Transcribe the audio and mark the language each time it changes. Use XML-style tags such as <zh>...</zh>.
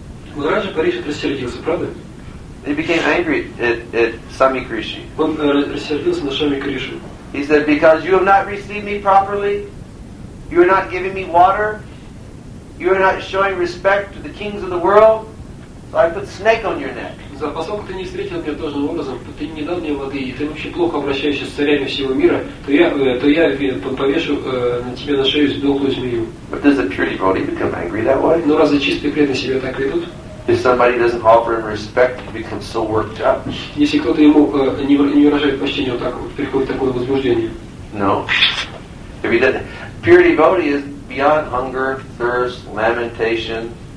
<en>He became angry at Swami Krishi. He said, because you have not received me properly, you are not giving me water, you are not showing respect to the kings of the world, so I put snake on your neck.</en> <ru>За поскольку ты не встретил меня должным образом, ты не дал мне воды, и ты вообще плохо обращаешься с царями всего мира, то я повешу на тебе на шею сдохлую змею.</ru> <en>But does a pure devotee become angry that way?</en> <ru>Но разве чистые преданные себя так ведут?</ru> <en>If somebody doesn't offer him respect, he becomes so worked up.</en> <ru>Если кто-то ему не выражает почтения, так приходит такое возбуждение.</ru> <en>No. If he doesn't, pure devotee is beyond hunger, thirst, lamentation.</en>